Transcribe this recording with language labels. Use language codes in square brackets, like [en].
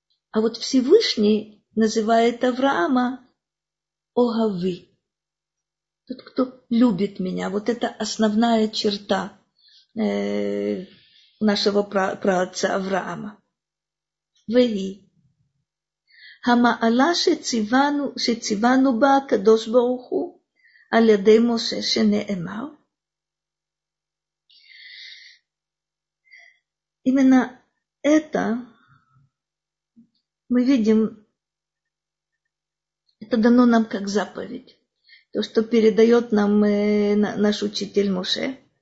[ru] А вот Всевышний называет Авраама «Огави» – тот, кто любит меня. Вот это основная черта нашего праотца Авраама. «Вэги». [he] המעלה שציוונו בה הקדוש ברוך הוא על ידי משה שנאמר. [ru] Именно это мы видим, это дано нам как заповедь, то, что передает нам наш учитель Моше.